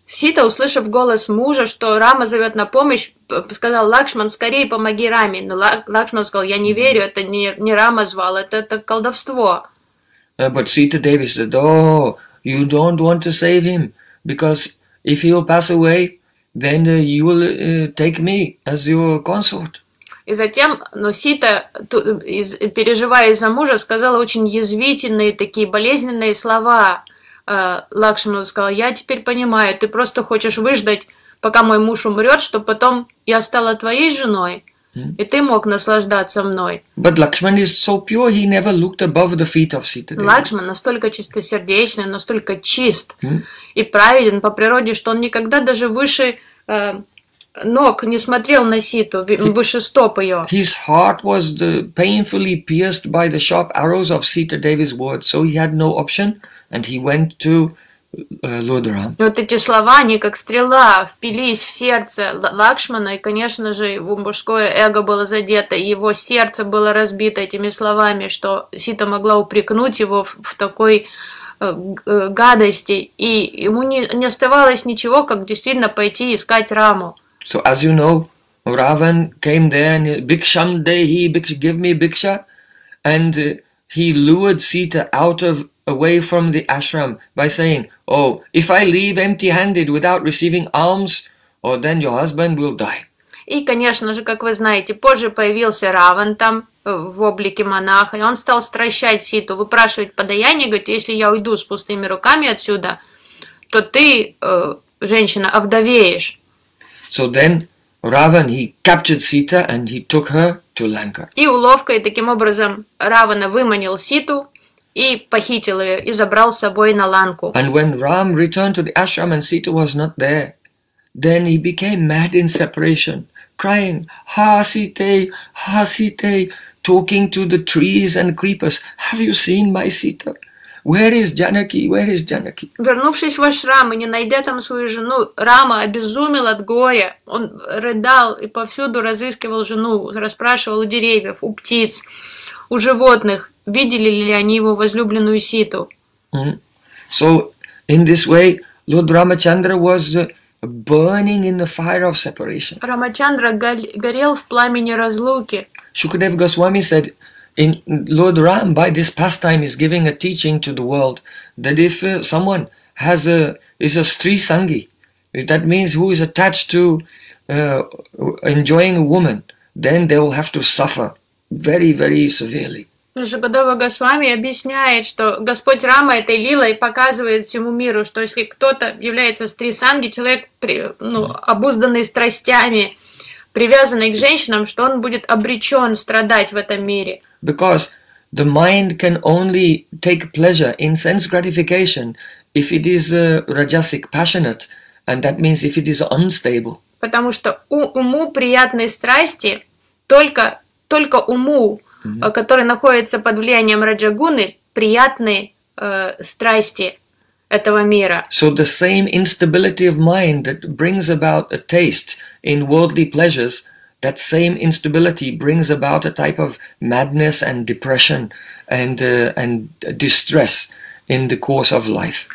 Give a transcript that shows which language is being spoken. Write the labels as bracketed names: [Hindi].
[Russian] Сита, услышав голос мужа, что Рама зовет на помощь, сказал: «Лакшман, скорее помоги Раме». Но Лакшман сказал: «Я не верю, это не Рама звал, это колдовство». [English] But Sita Devi said, oh, you don't want to save him, because if he will pass away, then you will take me as your consort. [Russian] И затем, но Сита, переживая за мужа, сказала очень язвительные такие болезненные слова. Лакшману сказала: я теперь понимаю, ты просто хочешь выждать, пока мой муж умрет, чтобы потом я стала твоей женой, и ты мог наслаждаться мной. [English] But Lakshman is so pure, he never looked above the feet of Sita. [Russian] Лакшман настолько чистосердечный, настолько чист и праведен по природе, что он никогда даже выше ног не смотрел на Ситу, выше стоп ее. [English] His heart was painfully pierced by the sharp arrows of Sita Devi's words, so he had no option, and he went to Lord Ram. [Russian] Вот эти слова, они как стрела впились в сердце Лакшмана, и, конечно же, его мужское эго было задето, и его сердце было разбито этими словами, что Сита могла упрекнуть его в такой гадости, и ему не оставалось ничего, как действительно пойти искать Раму. [English] So as you know, Ravan came there and Biksham Dehi, give me Biksha, and he lured Sita out of away from the ashram by saying, oh, if I leave empty-handed without receiving alms, oh, then your husband will die. [Russian] И, конечно же, как вы знаете, позже появился Раван там в облике монаха, и он стал стращать Ситу, выпрашивать подаяние, говорит, если я уйду с пустыми руками отсюда, то ты, женщина, овдовеешь. [English] So then Ravan, he captured Sita and he took her to Lanka. [Russian] И уловкой таким образом Равана выманил Ситу и похитил ее и забрал с собой на Ланку. [English] And when Ram returned to the ashram and Sita was not there, then he became mad in separation, crying, "Ha Sita, ha Sita," talking to the trees and creepers, "Have you seen my Sita? Where is Janaki? Where is Janaki?" [Russian] Вернувшись в ашрам и не найдя там свою жену, Рама обезумел от горя. Он рыдал и повсюду разыскивал жену, расспрашивал у деревьев, у птиц, у животных, видели ли они его возлюбленную Ситу. Mm-hmm. [English] So in this way, Lord Ramachandra was burning in the fire of separation. [Russian] Рамачандра горел в пламени разлуки. [English] Shukadeva Goswami said, in Lord Ram, by this pastime, is giving a teaching to the world that if someone has a is a stri sanghi. That means who is attached to enjoying a woman, then they will have to suffer very, very severely. [Russian] Шагодова Госвами объясняет, что Господь Рама этой лилой показывает всему миру, что если кто-то является стрисанги, человек, ну, обузданный страстями, привязанный к женщинам, что он будет обречен страдать в этом мире. [English] Because the mind can only take pleasure in sense gratification if it is rajasic passionate, and that means if it is unstable. [Russian] Потому что уму приятные страсти только уму, который находится под влиянием раджагуны, приятные страсти этого мира. [English] So the same instability of mind that brings about a taste in worldly pleasures, that same instability brings about a type of madness and depression and distress in the course of life.